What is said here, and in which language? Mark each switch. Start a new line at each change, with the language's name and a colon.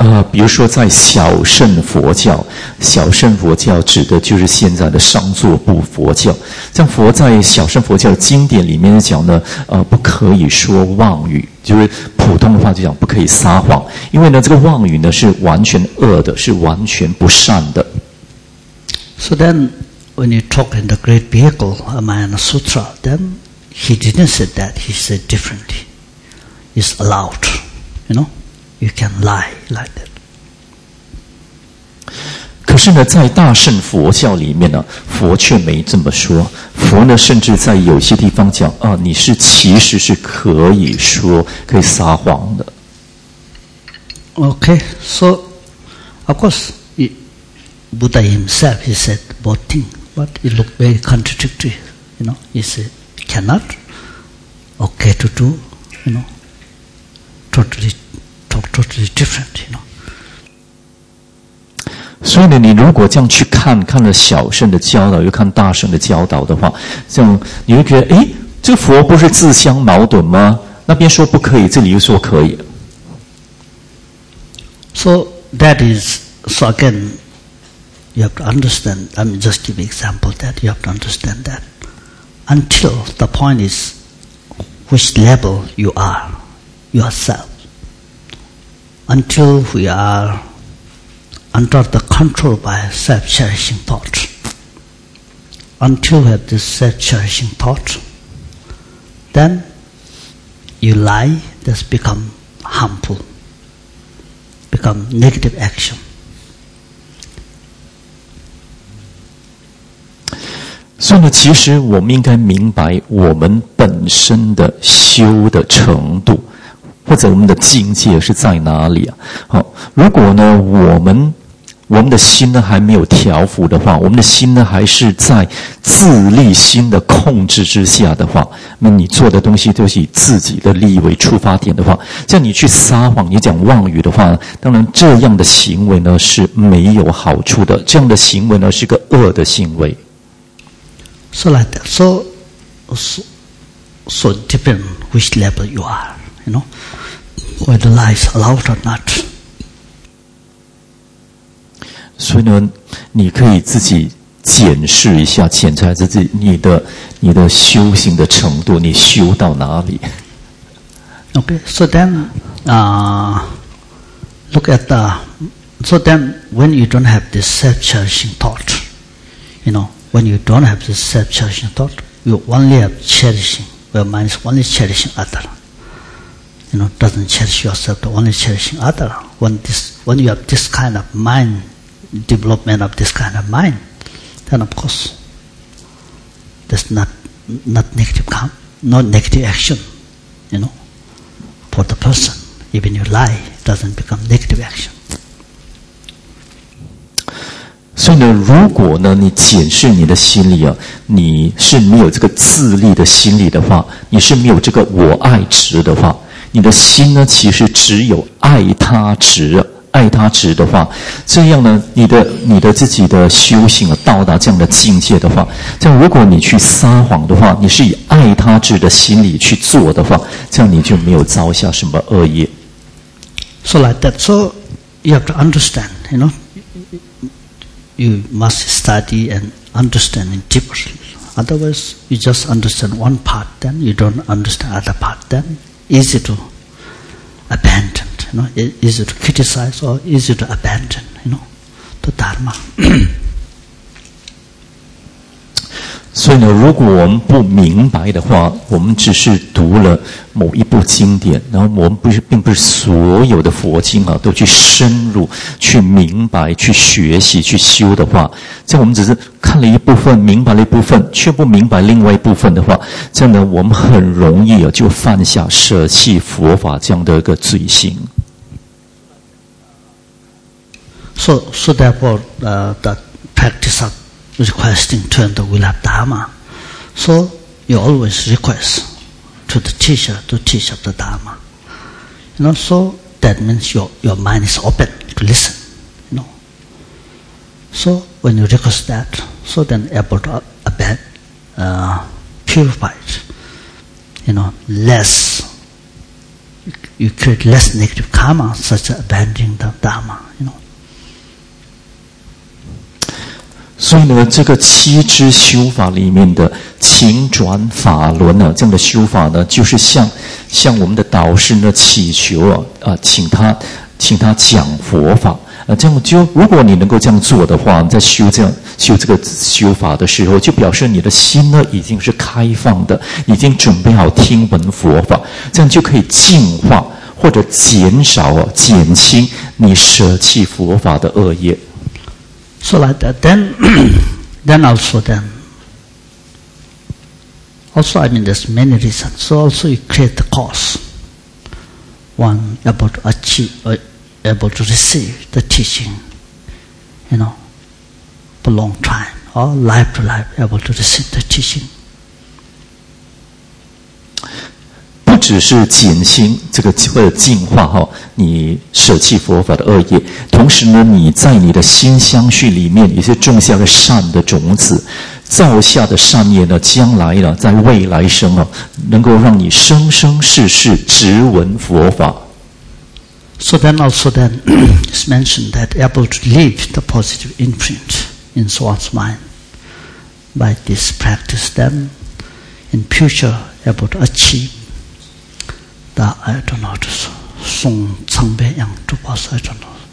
Chinese: 比如说在小乘佛教，小乘佛教指的就是现在的上座部佛教，像佛在小乘佛教经典里面讲呢，不可以说妄语，就是普通的话就讲不可以撒谎，因为呢这个妄语呢是完全恶的，是完全不善的。
English: So then when you talk in the great vehicle Amayana Sutra, then he didn't say that, he said differently. It's allowed, you knowYou can lie like that.
Chinese: 可是呢，在大乘佛教里面呢，佛却没这么说。佛呢，甚至在有些地方讲啊，你是其实是可以说、可以撒谎的。
English: Okay, so of course, Buddha himself he said both things, but it looked very contradictory. You know, he said cannot, okay to do, you know, totally. Totally different, you know.
Chinese: 所以呢，你如果这样去看，看了小乘的教导，又看大乘的教导的话，这样你会觉得，哎，这佛不是自相矛盾吗？那边说不可以，这里又说可以。
English: So that is, so again, you have to understand. I mean, just give example that you have to understand that until the point is which level you are yourself. Until we are under the control by self-cherishing thought. Until we have this self-cherishing thought, then you lie, this become harmful, become negative action.
Chinese: 所以呢，其实我们应该明白我们本身的修的程度。或者我们的境界是在哪里啊？好，如果呢，我们的心呢还没有调伏的话，我们的心呢还是在自利心的控制之下的话，那你做的东西都是以自己的利益为出发点的话，像你去撒谎、你讲妄语的话，当然这样的行为呢是没有好处的，这样的行为呢是个恶的行为。
English: So like that. So depend which level you are. You know, whether lie is allowed or not.
Chinese: 所以呢，你可以自己检视一下，检查自己你的修行的程度，你修到哪里
English: ？OK, so then, look at the, so then when you don't have this self-cherishing thought, you know, when you don't have this self-cherishing thought, you only have cherishing. Your mind is only cherishing other. You know, doesn't cherish yourself, only cherishing other. When you have this kind of mind, development of this kind of mind. Then of course, there's not negative karma, not negative action, you know, for the person. Even you lie, it doesn't become negative action.
Chinese: 所以呢，如果呢，你检视你的心理啊，你是没有这个自利的心理的话，你是没有这个我爱执的话，你的心呢，其实只有爱他执。爱他执的话，这样呢，你的自己的修行啊，到达这样的境界的话，这样如果你去撒谎的话，你是以爱他执的心理去做的话，这样你就没有造下什么恶业。
English: So like that, so you have to understand, you know, you must study and understand it deeply. Otherwise, you just understand one part, then you don't understand other part, then easy to abandon. You know, is it to criticize or is it to abandon, you know, the Dharma?
Chinese: 所以呢，如果我们不明白的话，我们只是读了某一部经典，然后我们并不是所有的佛经啊，都去深入、去明白、去学习、去修的话，这样我们只是看了一部分，明白了一部分，却不明白另外一部分的话，这样呢，我们很容易啊，就犯下舍弃佛法这样的一个罪行。
English: So therefore, the practice of requesting to enter will have Dharma. So you always request to the teacher to teach up the Dharma. You know, so that means your mind is open to listen. You know. So when you request that, so then able to purify it. You know, less, you create less negative karma such as abandoning the Dharma, you know.
Chinese: 所以呢，这个七支修法里面的勤转法轮呢、啊，这样的修法呢，就是向我们的导师呢祈求请他讲佛法啊。这样就如果你能够这样做的话，在修这个修法的时候，就表示你的心呢已经是开放的，已经准备好听闻佛法，这样就可以净化或者减少、啊、减轻你舍弃佛法的恶业。
English: So like that, then also then, also I mean there's many reasons, so also you create the cause, one able to achieve, able to receive the teaching, you know, for a long time, or life to life, able to receive the teaching.
Chinese: 不只是减轻这个或者净化哈，你舍弃佛法的恶业，同时呢，你在你的心相续里面也是种下了善的种子，造下的善业呢，将来呢，在未来生啊，能够让你生生世世直闻佛法。
English: So then also then is mentioned that able to leave the positive imprint in one's mind by this practice, then in future able to achieve. I don't know, just Song Chang Bei Yang to pass. I don't know.